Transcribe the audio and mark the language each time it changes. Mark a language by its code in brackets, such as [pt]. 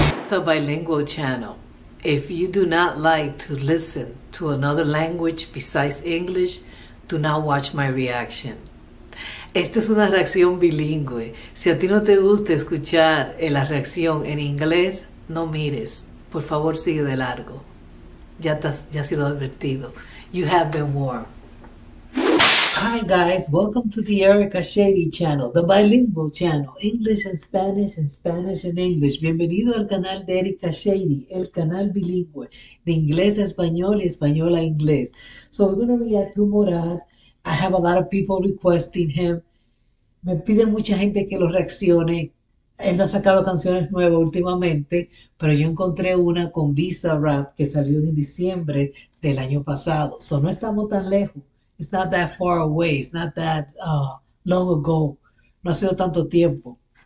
[en] a bilingual channel, if you do not like to listen to another language besides English, do not watch my reaction. [es] Esta es una reacción bilingüe. Si a ti no te gusta escuchar la reacción en inglés, no mires. Por favor, sigue de largo. Ya ha sido advertido. [en] You have been warned. Hi guys, welcome to the Erica Shady channel, the bilingual channel, English and Spanish and English. [es] Bienvenido al canal de Erica Shady, el canal bilingüe de inglés a español y español a inglés. [en] So we're going to react to Morat. I have a lot of people requesting him. [es] Me piden mucha gente que lo reaccione. Él no ha sacado canciones nuevas últimamente, pero yo encontré una con Bizarrap que salió en diciembre del año pasado. So no estamos tan lejos. [en] It's not that far away. It's not that long ago. [es] No ha sido tanto tiempo.